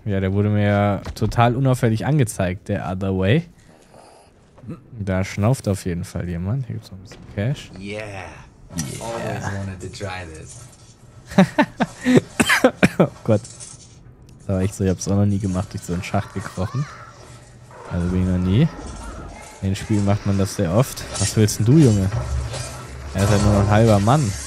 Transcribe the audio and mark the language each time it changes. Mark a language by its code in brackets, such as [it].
[de] Ja, der wurde mir ja total unauffällig angezeigt, der Other Way. Da schnauft auf jeden Fall jemand. Hier gibt's noch ein bisschen Cash. [en] Yeah. Always wanted to try this. [de] Oh Gott. Das war echt so, ich hab's auch noch nie gemacht, durch so einen Schacht gekrochen. Also bin ich noch nie. In den Spielen macht man das sehr oft. Was willst denn du, Junge? Er ist ja nur noch ein halber Mann.